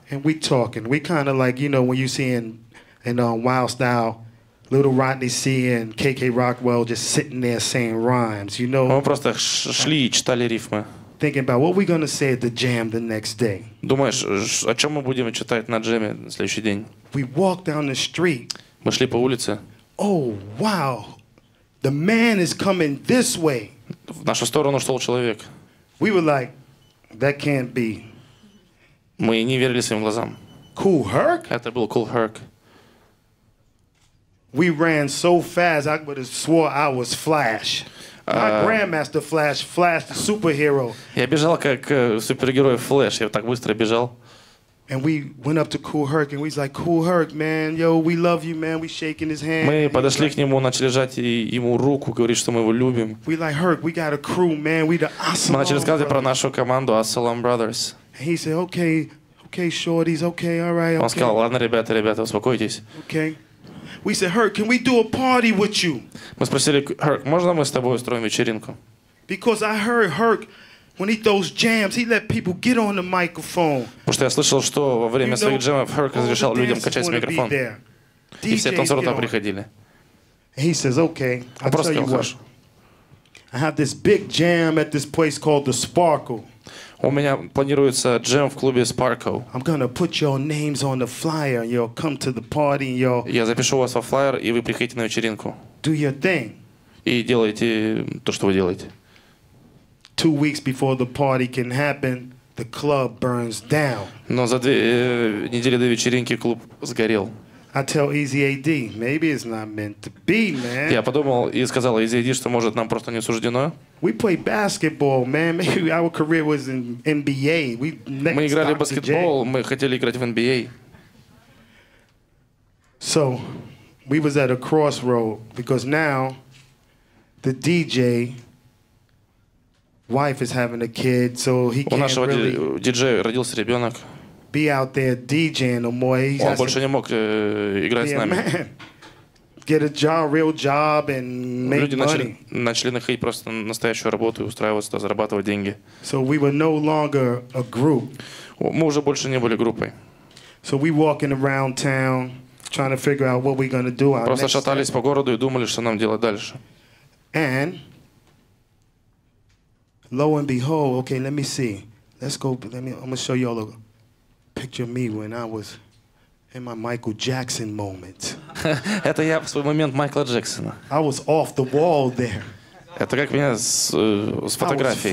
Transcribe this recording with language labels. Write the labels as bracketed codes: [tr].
[en] And we talking, we kind of like, you know, when you see in Wild Style, Little Rodney C and KK Rockwell just sitting there saying rhymes, you know. [ru] Мы просто шли и читали рифмы. [en] Thinking about what we're gonna say at the jam the next day. [ru] Думаешь, о чем мы будем читать на джеме на следующий день? [en] We walked down the street. [ru] Мы шли по улице. [en] Oh wow, the man is coming this way. [ru] В нашу сторону шел человек. [en] We were like, that can't be. [ru] Мы не верили своим глазам. [en] Kool Herc? [ru] Это был Kool Herc. [en] We ran so fast, I would have swore I was Flash. My grandmaster Flash, Flash the superhero. [ru] Я бежал как супергерой Флэш, я так быстро бежал. [en] And we went up to Kool Herc and we was like, Kool Herc, man, yo, we love you, man. We shaking his hand. [ru] Мы подошли к нему, начали жать ему руку, говорить, что мы его любим. [en] We like Herc, we got a crew, man. We the As Salaam. [ru] Мы начали рассказывать про нашу команду As Salaam Brothers. [en] And he said, okay, shorties, okay, all right. [ru] Он сказал, ладно, ребята, успокойтесь. [en] Okay. We said, Herc, can we do a party with you? [ru] Мы спросили, Herc, можно мы с тобой устроим вечеринку? [en] Because I heard Herc, when he throws jams, he let people get on the microphone. [ru] Потому что я слышал, что во время своих джемов Herc разрешал людям качать микрофон. И все танцоры там приходили. [en] He says, okay, I'll tell you what. I have this big jam at this place called the Sparkle. [ru] У меня планируется джем в клубе Sparkle. [en] I'm gonna put your names on the flyer. You'll come to the party. [ru] Я запишу вас во флайер, и вы приходите на вечеринку. [en] Do your thing. [ru] И делайте то, что вы делаете. [en] 2 weeks before the party can happen, the club burns down. [ru] Но за две недели до вечеринки клуб сгорел. [en] I tell Easy AD, maybe it's not meant to be, man. [ru] Я подумал и сказал Easy AD, что может нам просто не суждено. [en] We play basketball, man. Maybe our career was in NBA. We next [ru] мы играли в баскетбол, мы хотели играть в NBA. [en] So, we was at a crossroad because now the DJ wife is having a kid, so he can't. [ru] У нашего диджея родился ребенок. [en] Be out there DJing no more. [ru] Он больше не мог играть с нами. [en] Get a job, real job, and make [ru] люди [en] money. [ru] Начали находить просто настоящую работу и устраиваться, туда, зарабатывать деньги. [en] So we were no longer a group. [ru] Мы уже больше не были группой. [en] So we walking around town, trying to figure out what we're gonna do. [ru] Просто шатались по городу и думали, что нам делать дальше. [en] And lo and behold, okay, let me see. Let's go. I'm gonna show y'all a picture of me when I was in my Michael Jackson moment. [ru] Это я в свой момент Майкла Джексона. [en] I was off the wall there. [ru] Это как меня с фотографией.